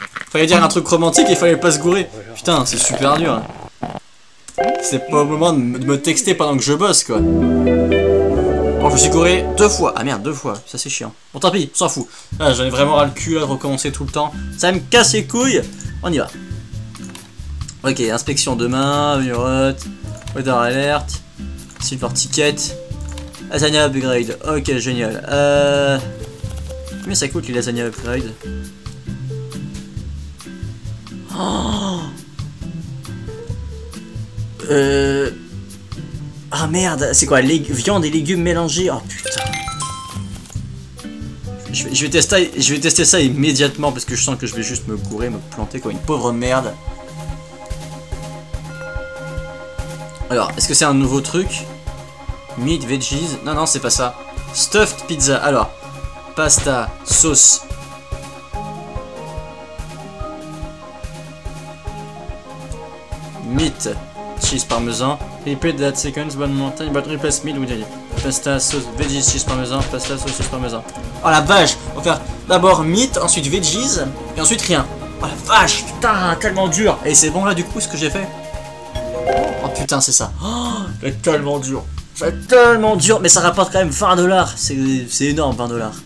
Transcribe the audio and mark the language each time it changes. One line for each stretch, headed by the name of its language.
French: Fallait dire un truc romantique et fallait pas se gourer. Putain, c'est super dur. Hein. C'est pas au moment de me texter pendant que je bosse quoi. Bon, je me suis gouré deux fois. Ah merde, deux fois, ça c'est chiant. Bon, tant pis, s'en fout. Ah, j'en ai vraiment ras le cul là, de recommencer tout le temps. Ça me casse les couilles. On y va.
English: Ok, inspection demain, murote, weather alert, silver ticket, Asania upgrade.
French: Ok, génial. Mais ça coûte les lasagnes upgrade. Oh. Ah merde, c'est quoi viande et légumes mélangés. Oh putain. Je vais tester ça immédiatement parce que je sens que je vais juste me gourer, me planter comme une pauvre merde. Alors, est-ce que c'est un nouveau truc?
English: Meat, veggies.
French: Non, non, c'est pas ça.
English: Stuffed pizza.
French: Alors.
English: Pasta, sauce. Meat, cheese parmesan. Repeat that sequence one more time, but replace meat with it. Pasta, sauce, veggies, cheese parmesan. Pasta, sauce, cheese parmesan.
French: Oh la vache! On va faire d'abord meat, ensuite veggies, et ensuite rien. Oh la vache! Putain, tellement dur! Et c'est bon là du coup ce que j'ai fait? Oh putain, c'est ça. Oh, c'est tellement dur! C'est tellement dur! Mais ça rapporte quand même 20$! C'est énorme, 20$!